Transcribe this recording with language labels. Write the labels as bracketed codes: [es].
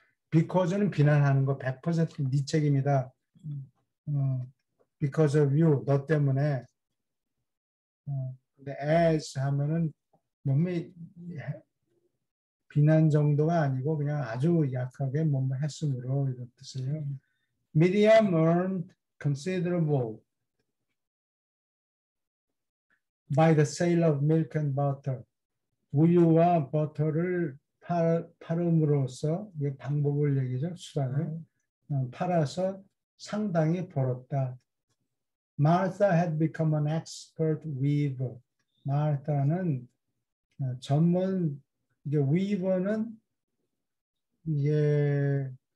[ko] Because는 비난하는 거 100% 네 책임이다. [en] Because of you, [ko] 너 때문에. 근데 as 하면은 몸이 비난 정도가 아니고 그냥 아주 약하게 몸을 했으므로 이런 뜻이에요. [en] Miriam earned considerable by the sale of milk and butter. [ko] 우유와 버터를 팔음으로써 이게 방법을 얘기죠, 수단을 팔아서 상당히 벌었다. [en] Martha had become an expert weaver. [ko] Martha는 전문 이게 weaver는 이게